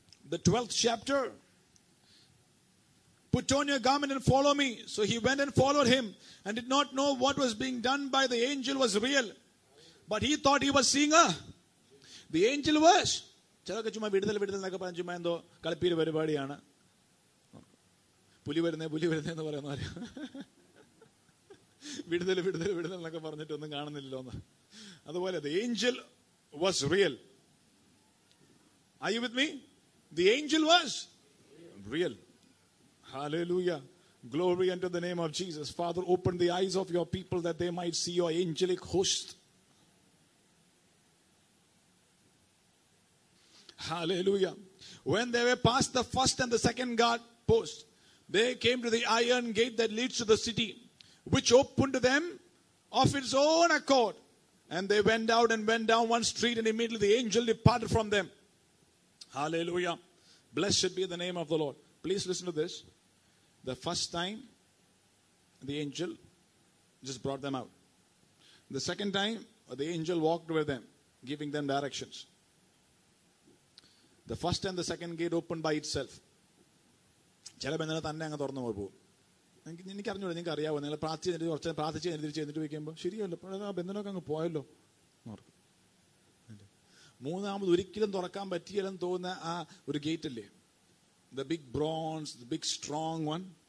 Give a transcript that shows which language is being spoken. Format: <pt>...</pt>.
<en>The 12th chapter. Put on your garment and follow me. So he went and followed him and did not know what was being done by the angel was real. But he thought he was seeing her. The angel was.</en> <ml>ചിലൊക്കെ ചുമ്മാ വിടുതൽ വിടുതൽ എന്നൊക്കെ പറഞ്ഞ ചുമ്മാ എന്തോ കളിപ്പീര് പരിപാടിയാണ്, പുലി വരുന്നേ പുലി വരുന്നേ എന്ന് പറയുന്ന പറയാം, വിടുതൽ വിടുതൽ വിടുതൽ എന്നൊക്കെ പറഞ്ഞിട്ട് ഒന്നും കാണുന്നില്ലല്ലോ എന്ന്. അതുപോലെ</ml> <en>the angel was real. Are you with me? The angel was real. Hallelujah. Glory unto the name of Jesus. Father, open the eyes of your people that they might see your angelic host. Hallelujah. When they were past the first and the second guard post, they came to the iron gate that leads to the city, which opened to them of its own accord. And they went out and went down one street, and immediately the angel departed from them. Hallelujah. Blessed be the name of the Lord. Please listen to this. The first time, the angel just brought them out. The second time, the angel walked with them, giving them directions. The first and the second gate opened by itself.</en> <ml>ചില ബന്ധങ്ങൾ തന്നെ അങ്ങ് തുറന്നു പോകും. എനിക്ക് എനിക്കറിഞ്ഞൂടെ, നിങ്ങൾക്ക് അറിയാമോ, നിങ്ങൾ പ്രാർത്ഥിച്ച് എന്നിട്ട് കുറച്ച് പ്രാർത്ഥിച്ച് എന്നിട്ട് വയ്ക്കുമ്പോൾ ശരിയല്ലോ, ആ ബന്ധനൊക്കെ അങ്ങ് പോയല്ലോ. മൂന്നാമത് ഒരിക്കലും തുറക്കാൻ പറ്റിയില്ലെന്ന് തോന്നുന്ന ആ ഒരു ഗേറ്റ് അല്ലേ,</ml> <en>The big bronze, the big strong one.</en>